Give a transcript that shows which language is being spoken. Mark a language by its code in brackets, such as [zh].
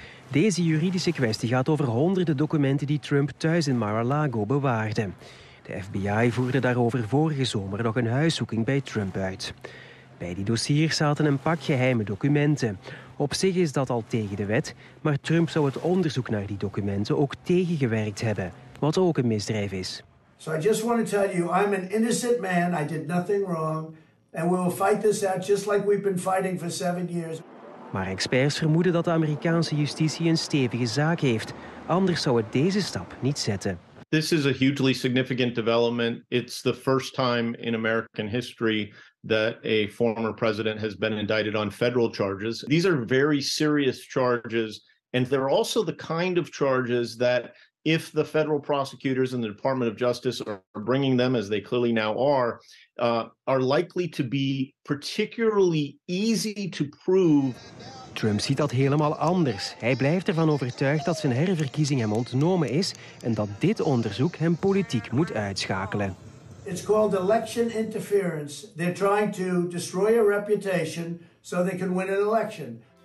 [nl] Deze juridische kwestie gaat over honderden documenten die Trump thuis in Mar-a-Lago bewaarde. De FBI voerde daarover vorige zomer nog een huiszoeking bij Trump uit. Bij die dossiers zaten een pak geheime documenten. Op zich is dat al tegen de wet, maar Trump zou het onderzoek naar die documenten ook tegengewerkt hebben, wat ook een misdrijf is. [en] So I just want to tell you, I'm an innocent man. I did nothing wrong, and we will fight this out just like we've been fighting for 7 years. [nl] Maar experts vermoeden dat de Amerikaanse justitie een stevige zaak heeft. Anders zou het deze stap niet zetten. [en] This is a hugely significant development. It's the first time in American history that a former president has been indicted on federal charges. These are very serious charges, and they're also the kind of charges that if the federal prosecutors and the Department of Justice are bringing them, as they clearly now are likely to be particularly easy to prove. [nl] Trump ziet dat helemaal anders. Hij blijft ervan overtuigd dat zijn herverkiezing hem ontnomen is en dat dit onderzoek hem politiek moet uitschakelen. [en] It's called election interference. They're trying to destroy a reputation so they can win an election.